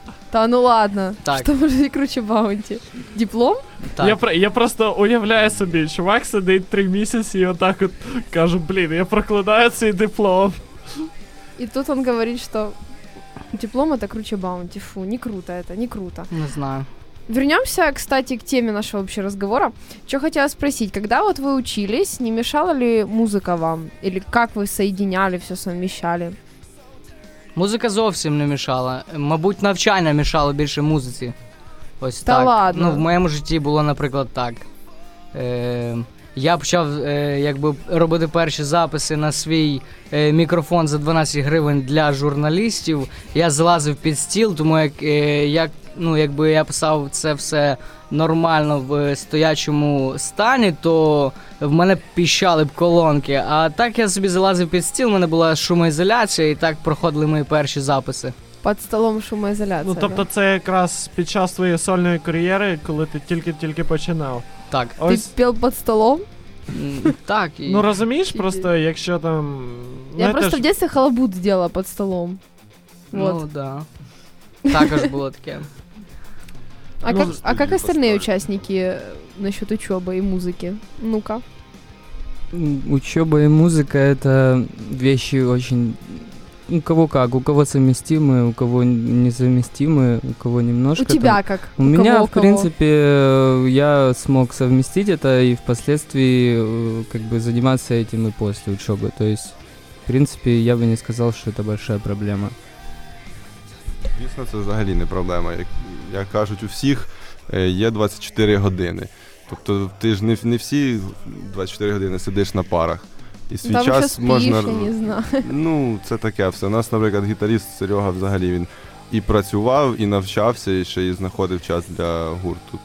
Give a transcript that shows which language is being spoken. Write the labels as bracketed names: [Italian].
[Ukrainian] Та ну ладно, що може бути круче Баунті? Диплом? Так. Я просто уявляю собі, чувак сидить 3 місяці і отак от каже, блін, я прокладаю цей диплом. І тут він говорить, що диплом – це круче Баунті. Фу, не круто це, не круто. Не знаю. [Russian] Вернемся, кстати, к теме нашего общего разговора. Что хотела спросить, когда вот вы учились, не мешала ли музыка вам? Или как вы соединяли, все совмещали? [Ukrainian] Музыка зовсім не мешала. Мабуть, навчання мешало більше музиці. Ось та так. Ладно. Ну, в моєму житті було, наприклад, так. Я почав якби робити перші записи на свій мікрофон за 12 гривень для журналістів. Я залазив під стіл, тому якби я писав це все нормально в стоячому стані, то в мене піщали б колонки. А так я собі залазив під стіл, в мене була шумоізоляція, і так проходили мої перші записи. Під столом шумоізоляція. Ну, тобто це якраз під час твоєї сольної кар'єри, коли ти тільки-тільки починав. Так. Ось... Ти спів під столом? Так. Ну, розумієш, просто якщо там... Я просто в дитинстві халабуд робила під столом. Ну, так. Також було таке. [Russian] А как остальные участники насчет учебы и музыки? Ну-ка. Учеба и музыка — это вещи очень... У кого как, у кого совместимые, у кого несовместимые, у кого немножко... У тебя там... как? У меня, в принципе, я смог совместить это и впоследствии как бы заниматься этим и после учебы. То есть, в принципе, я бы не сказал, что это большая проблема. [Ukrainian] Звісно, це взагалі не проблема. Як кажуть, у всіх є 24 години. Тобто ти ж не всі 24 години сидиш на парах. І свій там час спіш, можна... Я не знаю. Ну, це таке все. У нас, наприклад, гітарист Серега взагалі він і працював, і навчався, і ще і знаходив час для гурту.